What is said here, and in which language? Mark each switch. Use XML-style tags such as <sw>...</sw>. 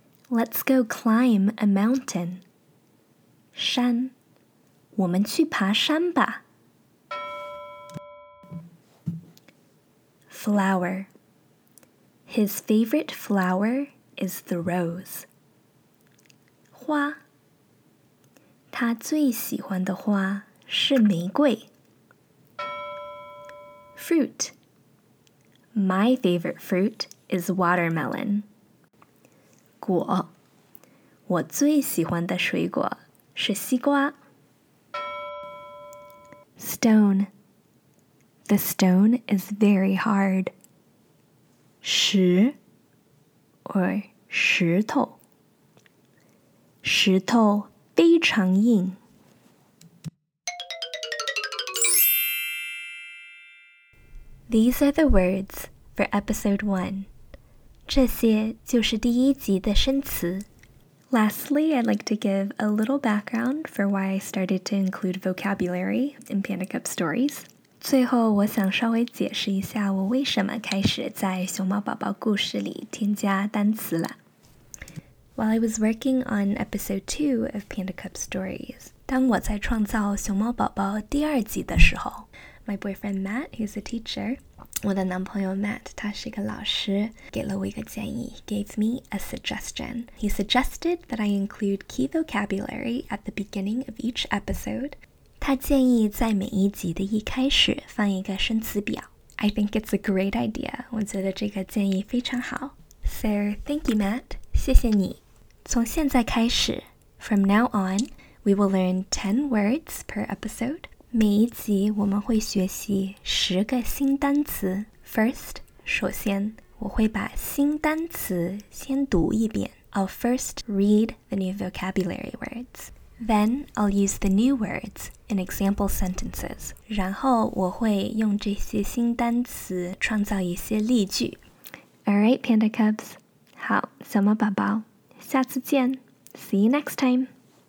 <en>Let's go climb a mountain.</en> <zh>山，我们去爬山吧。</zh> <en>Flower. His favorite flower is the rose.</en> <zh>花，他最喜欢的花是玫瑰。</zh> <en>Fruit. My favorite fruit is watermelon.</en> <zh>果，我最喜欢的水果是西瓜。</zh> <en>Stone. The stone is very hard.</en> <zh>石 or 石头。石头非常硬。</zh> <en>These are the words for episode 1.</en> <zh>这些就是第一集的生词。</zh> <en>Lastly, I'd like to give a little background for why I started to include vocabulary in Panda Cup stories.</en> <zh>最后我想稍微解释一下我为什么开始在熊猫宝宝故事里添加单词了。</zh> <en>While I was working on episode 2 of Panda Cup stories,</en> <zh>当我在创造熊猫宝宝第二集的时候</zh> <en>My boyfriend Matt, who's a teacher,</en> <zh>我的男朋友 Matt, 他是一个老师，给了我一个建议,</zh> <en>gave me a suggestion. He suggested that I include key vocabulary at the beginning of each episode.</en> <zh>他建议在每一集的一开始放一个生词表。</zh> <en>I think it's a great idea.</en> <zh>我觉得这个建议非常好。</zh> <en>So, thank you, Matt.</en> <zh>谢谢你。从现在开始,</zh> <en>from now on, we will learn 10 words per episode.</en> <zh>每一集我们会学习十个新单词。 First, 首先,我会把新单词先读一遍。</zh> <en>I'll first read the new vocabulary words. Then, I'll use the new words in example sentences.</en> <zh>然后我会用这些新单词创造一些例句。</zh> <en>Alright, Panda Cubs.</en> <zh>好,小猫宝宝,下次见。</zh> <en>See you next time.</en>